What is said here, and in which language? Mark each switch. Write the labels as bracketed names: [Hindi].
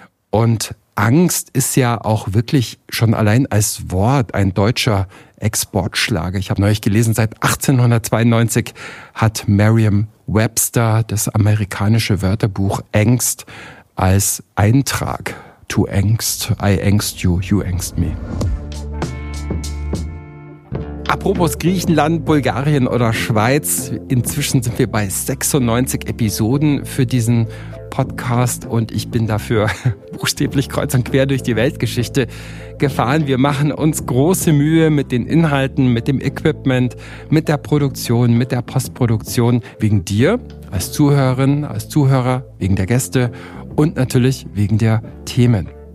[German] Und Angst ist ja auch wirklich schon allein als Wort ein deutscher Exportschlager. Ich habe neulich gelesen, seit 1892 hat Merriam-Webster das amerikanische Wörterbuch Angst als Eintrag. [English] To angst, I angst you, you angst me. [German] Apropos Griechenland, Bulgarien oder Schweiz, inzwischen sind wir bei 96 Episoden für diesen Podcast und ich bin dafür buchstäblich kreuz und quer durch die Weltgeschichte gefahren. Wir machen uns große Mühe mit den Inhalten, mit dem Equipment, mit der Produktion, mit der Postproduktion, wegen dir als Zuhörerin, als Zuhörer, wegen der Gäste und natürlich wegen der Themen.